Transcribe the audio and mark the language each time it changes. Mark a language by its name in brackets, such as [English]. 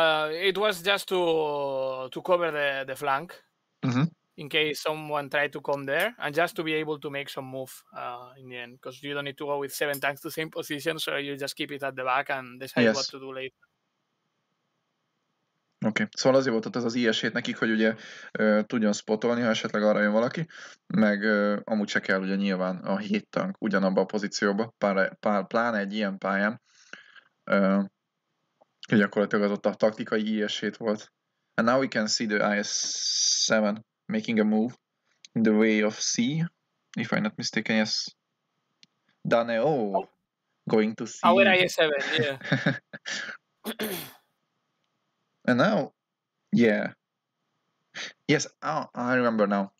[English] It was just to cover the flank, mm-hmm. in case someone tried to come there, and just to be able to make some move in the end, because you don't need to go with seven tanks to same position, so you just keep it at the back and decide yes. what to do later. [Hungarian] Oké, okay. Szóval azért volt ott az ilyesét nekik, hogy ugye tudjon spotolni, ha esetleg arra jön valaki, meg amúgy se kell ugye nyilván a hét tank ugyanabba a pozícióba, pláne egy ilyen pályán, hogy gyakorlatilag az ott a taktikai ilyesét volt. [English] And now we can see the IS-7 making a move in the way of C, if I'm not mistaken, yes. Daneo going to C. Our IS-7, yeah. And now, yeah, yes, I remember now.